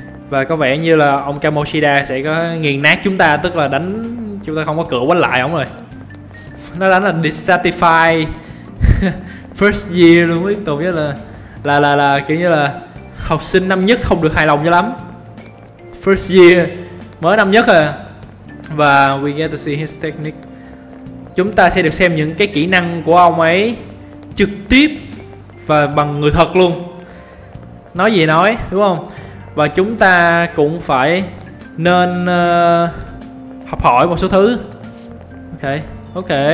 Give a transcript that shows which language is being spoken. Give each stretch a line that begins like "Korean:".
Vietnamese: Và có vẻ như là ông Kamoshida sẽ có nghiền nát chúng ta, tức là đánh chúng ta không có cửa quánh lại ổng rồi. Nó đánh là dissatisfied. first year luôn, biết tôi biết là kiểu như là học sinh năm nhất không được hài lòng cho lắm. First year, mới năm nhất à.
English: Và we get to see his technique.
Vietnamese: Chúng ta sẽ được xem những cái kỹ năng của ông ấy trực tiếp và bằng người thật luôn. Nói gì nói, đúng không? Và chúng ta cũng phải nên học hỏi một số thứ. Ok, ok.